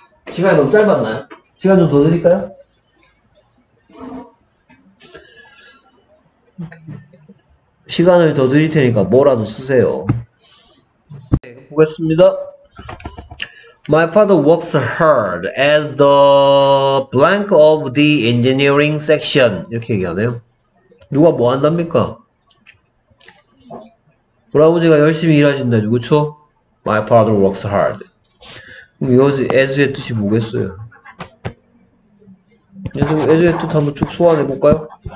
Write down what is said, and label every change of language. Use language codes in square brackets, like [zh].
[ko] 시간이 너무 짧았나요? 시간 좀 더 드릴까요? 시간을 더 드릴 테니까 뭐라도 쓰세요. 네, 보겠습니다. [en] My father works hard as the blank of the engineering section. [ko] 이렇게 얘기하네요. 누가 뭐 한답니까? 우리 아버지가 열심히 일하신다죠. 그쵸? [en] My father works hard. [ko] 그럼 이 as의 뜻이 뭐겠어요? as의 뜻 한번 쭉 소환해 볼까요?